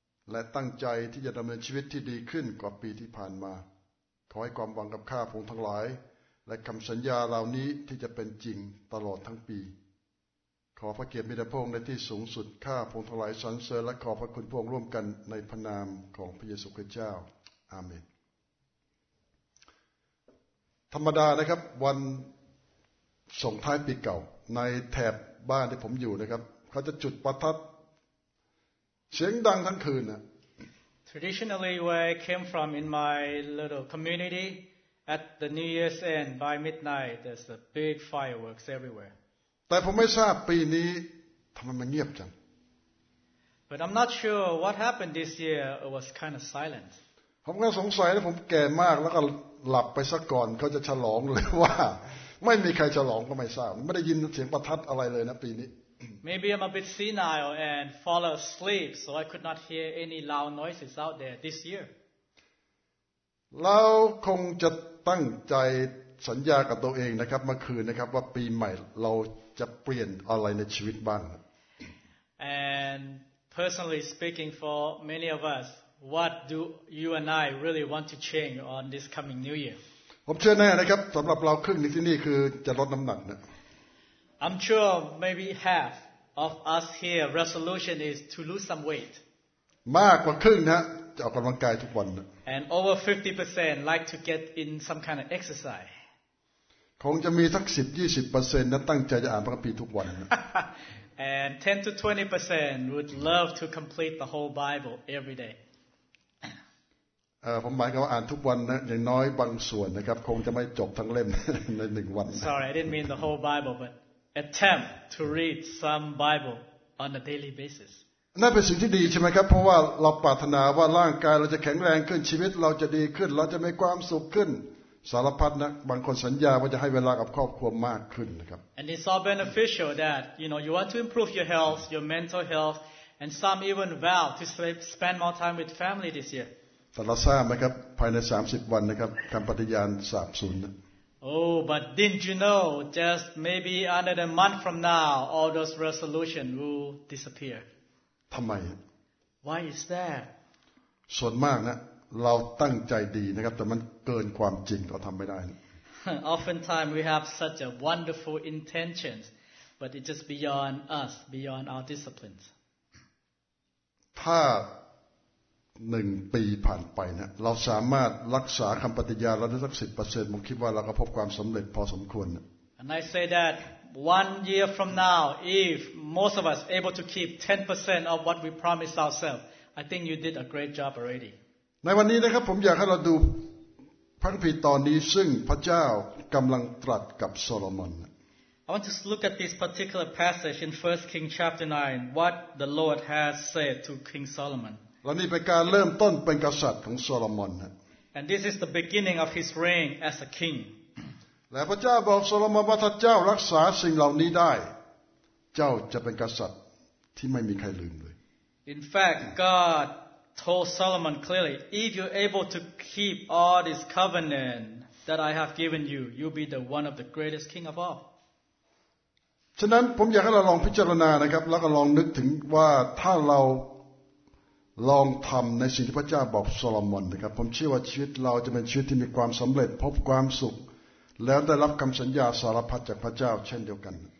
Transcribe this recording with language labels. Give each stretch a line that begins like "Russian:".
Thai: และตั้งใจที่จะดำเนินชีวิตที่ดีขึ้นกว่าปีที่ผ่านมาขอให้ความหวังกับข้าพงศ์ทั้งหลายและคำสัญญาเหล่านี้ที่จะเป็นจริงตลอดทั้งปีขอพระเกียรติมีแด่พระองค์ในที่สูงสุดข้าพงศ์ทั้งหลายสรรเสริญและขอพระคุณพระองค์ร่วมกันในพระนามของพระเยซูคริสต์เจ้าอาเมน ธรรมดานะครับวันส่งท้ายปีเก่าในแถบบ้านที่ผมอยู่นะครับเขาจะจุดประทัดเสียงดังทั้งคืนนะ
English: Traditionally where I came from in my little community at the New Year's end by midnight there's a big fireworks everywhere
Thai: แต่ผมไม่ทราบปีนี้ทำไมมันเงียบจัง
English: But I'm not sure what happened this year it was kind of silent
Thai: ผมก็สงสัยนะผมแก่มากแล้วก็หลับไปซะก่อนเขาจะฉลองหรือว่าไม่มีใครฉลองก็ไม่ทราบไม่ได้ยินเสียงประทัดอะไรเลยนะปีนี้
English: Maybe I'm a bit senile and fall asleep, so I could not hear any loud noises out there this year.
Thai: เราคงจะตั้งใจสัญญากับตัวเองนะครับเมื่อคืนนะครับว่าปีใหม่เราจะเปลี่ยนอะไรในชีวิตบ้าง
English: And personally speaking for many of us, what do you and I really want to change on this coming New Year?
Thai: ผมเชื่อแน่นะครับสำหรับเราครึ่งนี้ที่นี่คือจะลดน้ำหนักนะ
English: I'm sure maybe half of us here resolution is to lose some weight.
Thai: มากกว่าครึ่งนะจะออกกำลังกายทุกวัน
English: And over 50% like to get in some kind of exercise.
Thai: คงจะมีสัก 10-20% นะตั้งใจจะอ่านพระคัมภีร์ทุกวัน
English: And 10-20% would love to complete the whole Bible every day.
Thai: ผมหมายความว่าอ่านทุกวันนะอย่างน้อยบางส่วนนะครับคงจะไม่จบทั้งเล่มใน1วัน
English: Sorry, I didn't mean the whole Bible, butAttempt to read some Bible on a daily basis.
Thai: นั่นเป็นสิ่งที่ดีใช่ไหมครับเพราะว่าเราปรารถนาว่าร่างกายเราจะแข็งแรงขึ้นชีวิตเราจะดีขึ้นเราจะมีความสุขขึ้นสารพัดนะบางคนสัญญาว่าจะให้เวลากับครอบครัวมากขึ้นนะครับ
English: And it's all beneficial that you know you want to improve your health, your mental health, and some even vow to spend more time with family this year.
Thai: แต่เราทราบไหมครับภายใน30 วันนะครับคำปฏิญาณสาบสูญ
English: Oh, but didn't you know, just maybe under a month from now, all those resolutions will disappear.
Thai: ทำไม
English: Why is that?
Thai: ส่วนมากนะเราตั้งใจดีนะครับแต่มันเกินความจริงเราทำไม่ได้
English: Oftentimes we have such a wonderful intentions, but it's just beyond us, beyond our disciplines.
Thai: ถ้า1 ปีผ่านไปนะเราสามารถรักษาคำปฏิญาณเราได้สัก 10% ผมคิดว่าเราก็พบความสำเร็จพอสมควร
English: And I say that 1 year from now if most of us able to keep 10% of what we promised ourselves I think you did a great job already
Thai: ในวันนี้นะครับผมอยากให้เราดูพระคัมภีร์ตอนนี้ซึ่งพระเจ้ากำลังตรัสกับโซโลมอน
English: I want to look at this particular passage in 1 Kings chapter 9 what the Lord has said to King Solomon
Thai: และนี่เป็นการเริ่มต้นเป็นกษัตริย์ของโซโลมอนนะ
English: And this is the beginning of his reign as a king.
Thai: และพระเจ้าบอกโซโลมอนว่าถ้าเจ้ารักษาสิ่งเหล่านี้ได้เจ้าจะเป็นกษัตริย์ที่ไม่มีใครลืมเลย
English: In fact, God told Solomon clearly, if you're able to keep all this covenant that I have given you, you'll be the one of the greatest king of all.
Thai: ฉะนั้นผมอยากให้เราลองพิจารณานะครับแล้วก็ลองนึกถึงว่าถ้าเราลองทำในสิ่งที่พระเจ้าบอกโซโลมอนนะครับผมเชื่อว่าชีวิตเราจะเป็นชีวิตที่มีความสำเร็จพบความสุขแล้วได้รับคำสัญญาสารพัดจากพระเจ้าเช่นเดียวกัน